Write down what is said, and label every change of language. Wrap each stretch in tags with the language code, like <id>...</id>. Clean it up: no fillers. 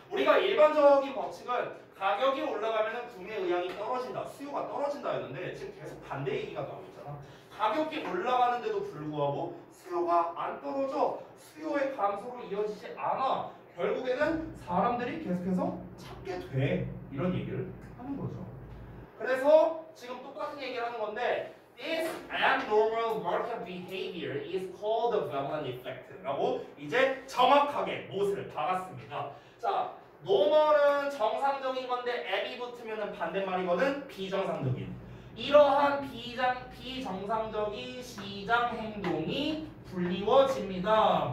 <ko>우리가 일반적인 법칙은 가격이 올라가면 구매 의향이 떨어진다, 수요가 떨어진다였는데 지금 계속 반대 얘기가 나오고 있잖아. 가격이 올라가는데도 불구하고 수요가 안 떨어져, 수요의 감소로 이어지지 않아, 결국에는 사람들이 계속해서 찾게 돼. 이런 얘기를 하는 거죠. 그래서 지금 똑같은 얘기를 하는 건데</ko> <en>This abnormal market behavior is called the Veblen effect.</en> <ko>라고 이제 정확하게 못을 박았습니다. 자, normal은 정상적인 건데 ab이 붙으면 반대말이거든 비정상적인. 이러한 비정상적인 시장 행동이 불리워집니다.</ko>